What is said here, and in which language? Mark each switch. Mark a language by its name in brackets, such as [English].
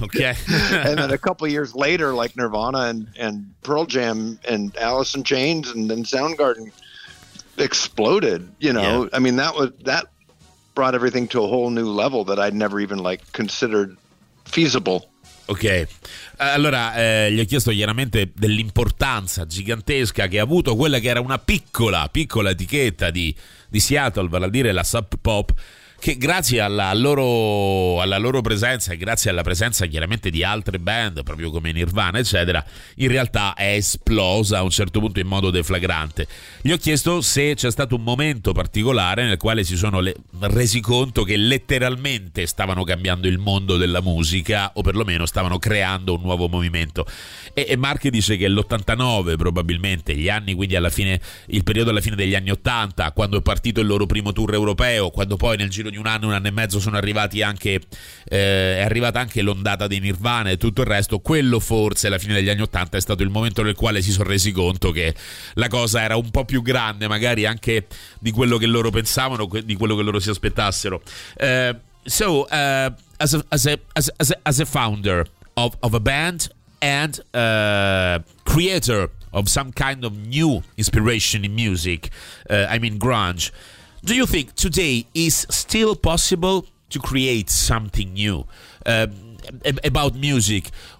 [English] Okay. And then a couple of years later, like Nirvana and Pearl Jam and Alice in Chains and then Soundgarden exploded, you know. Yeah. I mean, that brought everything to a whole new level that I'd never even, like, considered feasible. [Italian] Ok, allora gli ho chiesto chiaramente dell'importanza gigantesca che ha avuto quella che era una piccola etichetta di Seattle, vale a dire la Sub Pop, che grazie alla loro presenza e grazie alla presenza chiaramente di altre band, proprio come Nirvana, eccetera, in realtà è esplosa a un certo punto in modo deflagrante. Gli ho chiesto se c'è stato un momento particolare nel quale si sono resi conto che letteralmente stavano cambiando il mondo della musica, o perlomeno stavano creando un nuovo movimento. E Mark dice che l'89 probabilmente, gli anni, quindi alla fine, il periodo alla fine degli anni 80, quando è partito il loro primo tour europeo, quando poi nel giro di un anno e mezzo sono arrivati anche è arrivata anche l'ondata dei Nirvana e tutto il resto, quello forse alla fine degli anni 80 è stato il momento nel quale si sono resi conto che la cosa era un po' più grande magari anche di quello che loro pensavano, di quello che loro si aspettassero. [English] So as a founder of a band and creator of some kind of new inspiration in music, I mean grunge, do you think today is still possible to create something new about music?